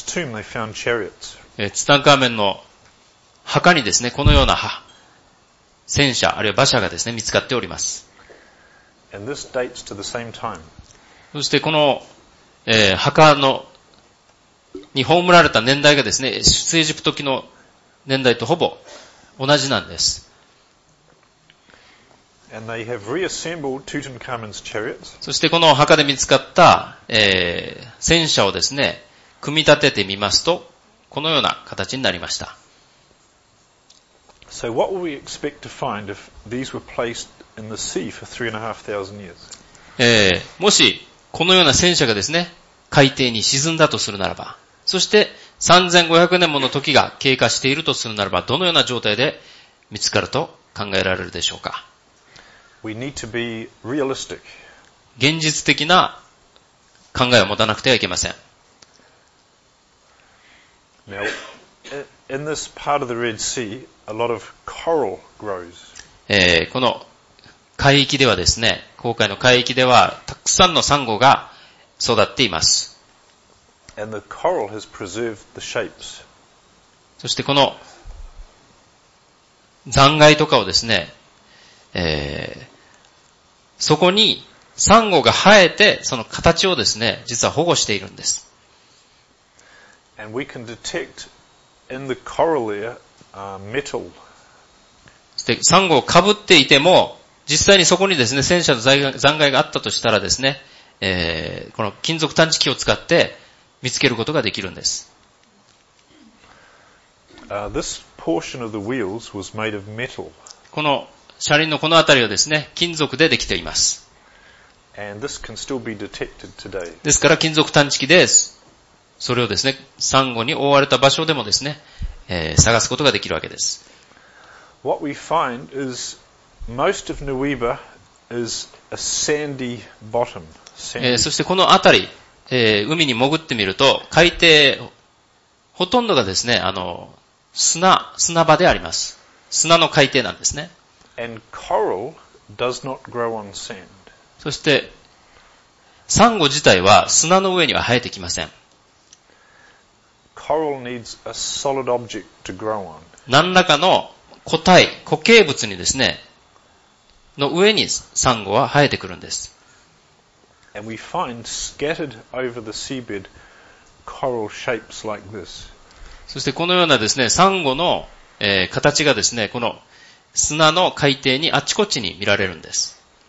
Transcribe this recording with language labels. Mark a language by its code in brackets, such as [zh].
[ja] ツタンカーメンの墓にですね、このような戦車あるいは馬車がですね、見つかっております。そしてこの、墓のに葬られた年代がですね、出エジプト期の年代とほぼ同じなんです。 [en] And they have reassembled Tutankhamun's chariots. [ja] そしてこの墓で見つかった、戦車をですね、組み立ててみますと、このような形になりました。 [en] So what would we expect to find if these were placed in the sea for 3,500 years? [ja] もしこのような戦車がですね、海底に沈んだとするならば、そして3500年もの時が経過しているとするならば、どのような状態で見つかると考えられるでしょうか。 [en] We need to be realistic. [ja] 現実的な考えを持たなくてはいけません。 [en] Now, in this part of the Red Sea, a lot of coral grows. [ja] この海域ではですね、紅海の海域ではたくさんのサンゴが育っています。 [en] And the coral has preserved the shapes. [ja] そしてこの残骸とかをですね、そこにサンゴが生えてその形をですね、実は保護しているんです。 [en] And we can detect in the coral layer, metal. [ja] そしてサンゴをかぶっていても、実際にそこにですね、戦車の残骸があったとしたらですね、この金属探知機を使って、見つけることができるんです。 [en] This portion of the wheels was made of metal. [ja] この車輪のこのあたりはですね、金属でできています。 [en] And this can still be detected today. [ja] ですから金属探知機で、それをですね、サンゴに覆われた場所でもですね、探すことができるわけです。 [en] What we find is most of Nuiba is a sandy bottom. [ja] そしてこの辺り、海に潜ってみると海底ほとんどがですね、あの砂場であります。砂の海底なんですね。 [en] And coral does not grow on sand. [ja] そしてサンゴ自体は砂の上には生えてきません。 [en] Coral needs a solid object to grow on. [ja] 何らかの固体、固形物にですね、の上にサンゴは生えてくるんです。 [en] And we find scattered over the seabed coral shapes like this. [ja] そしてこのようなですね、サンゴの、形がですね、この砂の海底にあちこちに見られるんです。